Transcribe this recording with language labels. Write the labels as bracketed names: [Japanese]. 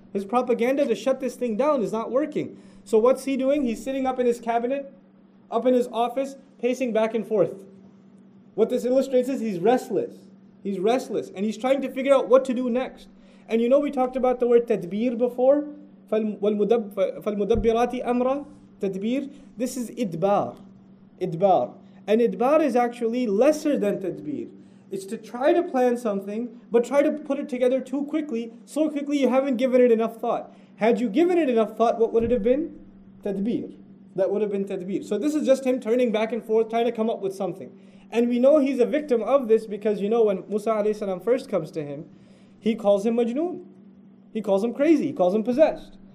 [English] His propaganda to shut this thing down is not working. So what's he doing? He's sitting up in his cabinet, up in his office, pacing back and forth. What this illustrates is he's restless. He's restless. And he's trying to figure out what to do next. And you know we talked about the word tadbir before? [Arabic] فَالْمُدَبِّرَاتِ أَمْرًا tadbir. [English] This is idbar. Idbar. And idbar is actually lesser than tadbir. It's to try to plan something, but try to put it together too quickly, so quickly you haven't given it enough thought. Had you given it enough thought, what would it have been? Tadbir. That would have been tadbir. So this is just him turning back and forth, trying to come up with something. And we know he's a victim of this because, you know, when Musa alayhi salam first comes to him, he calls him Majnoon. He calls him crazy. He calls him possessed.